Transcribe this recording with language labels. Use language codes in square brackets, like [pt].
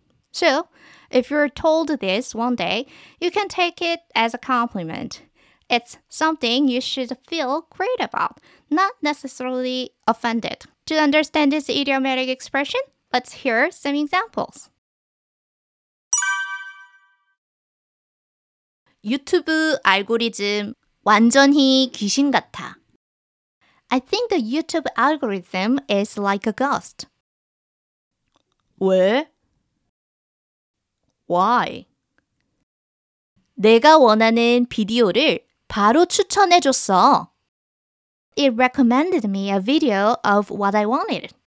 [en] So, if you're told this one day, you can take it as a compliment. It's something you should feel great about, not necessarily offended. To understand this idiomatic expression, let's hear some examples. [ko] 유튜브 알고리즘 완전히 귀신 같아. [en] I think the YouTube algorithm is like a ghost. [ko] 왜? [en] Why? [ko] 내가 원하는 비디오를 바로 추천해 줬어. [en] It recommended me a video of what I wanted.